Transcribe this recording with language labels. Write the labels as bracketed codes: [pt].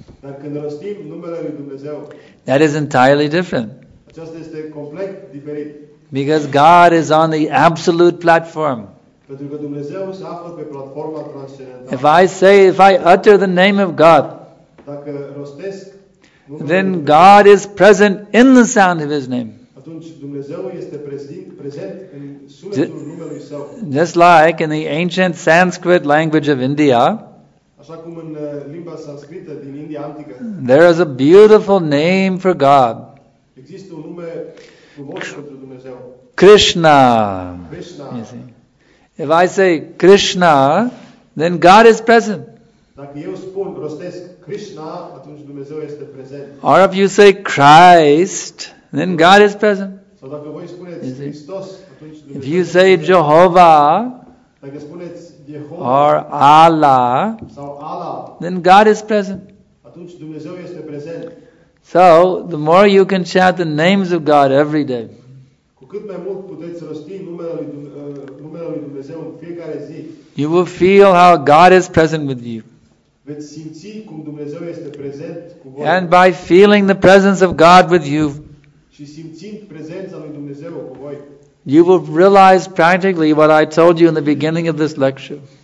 [ro] dar când rostim numele lui Dumnezeu, [en] that is entirely different. [ro] Aceasta este complet diferit. [en] Because God is on the absolute platform. [ro] Pentru că Dumnezeu se află pe platforma transcendentală. [en] If I utter the name of God, [ro] dacă rostesc numele, [en] then God is present in the sound of his name. [ro] Atunci Dumnezeu este prezent în sunetul numelui său. [en] Just like in the ancient Sanskrit language of India, [ro] așa cum în limba sanscrită din India antică, [en] there is a beautiful name for God. [ro] Există un nume frumos pentru Dumnezeu. [en] Krishna. [ro] Krishna. [en] You see. If I say Krishna, then God is present. [ro] Dacă eu spun, rostesc Krishna, atunci Dumnezeu este prezent. [en] Or if you say Christ, then God is present. [ro] Sau dacă voi spuneți Hristos, atunci Dumnezeu este prezent. [en] If you say Jehovah, [ro] dacă spuneți Jehovah, [en] or Allah, [ro] sau Allah, [en] then God is present. [ro] Atunci Dumnezeu este prezent. [en] So, the more you can chant the names of God every day, [ro] cu cât mai mult puteți rosti numele lui Dumnezeu în fiecare zi, [en] you will feel how God is present with you. [ro] Veți simți cum Dumnezeu este prezent cu voi. [en] And by feeling the presence of God with you, [ro] și simțind prezența lui Dumnezeu cu voi, [en] you will realize practically what I told you in the beginning of this lecture.